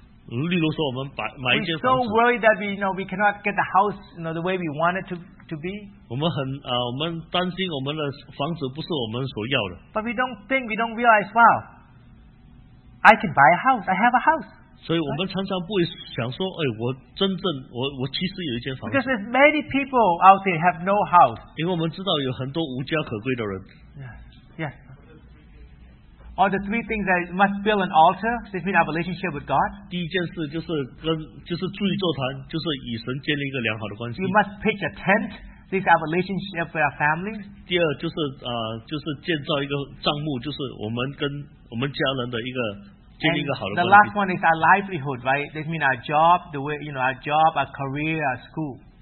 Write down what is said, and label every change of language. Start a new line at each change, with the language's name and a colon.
Chinese: 例如说我们买一间房子,
English: we're so worried that we, you know, we cannot get the house, you know, the way we want it to be.
Chinese: 我们担心我们的房子不是我们所要的。
English: But we don't realize, wow, I can buy a house, I have a house.
Chinese: 所以我们常常不会想说, 我其实有一间房子。
English: Because there's many people out there have no house.
Chinese: 因为我们知道有很多无家可归的人。
English: Or the three things that must build an altar, this means our relationship with God.
Chinese: 第一件事就是跟，就是筑一座坛，就是与神建立一个良好的关系。
English: You must pitch a tent, this is our relationship with our family.
Chinese: 第二就是建造一个帐幕，就是我们跟我们家人的一个。
English: And the last one is our livelihood, right? That means our job, the way, you know, our job, our career, our school.